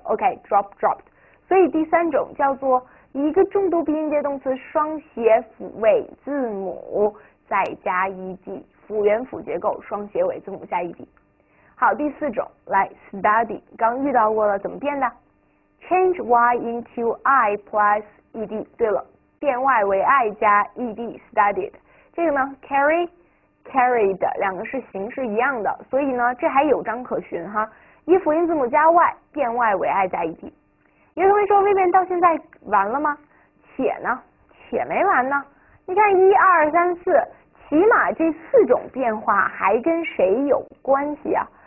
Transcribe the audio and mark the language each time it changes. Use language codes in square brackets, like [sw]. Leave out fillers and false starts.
[zh] OK，dropped，所以第三种叫做一个重读闭音节动词，双写辅尾字母再加 ed，辅元辅结构，双写尾字母加 ed。好，第四种来 study，刚遇到过了，怎么变的？ [en] Change y into i plus ed。 [zh] 对了，变 y 为 i 加 ed，studied。这个呢，carried 两个是形式一样的，所以呢，这还有章可循哈。以辅音字母加 y 变 y 为 i 加 ed。有同学说，Vivian 到现在完了吗？且呢？且没完呢？你看一二三四，起码这四种变化还跟谁有关系啊？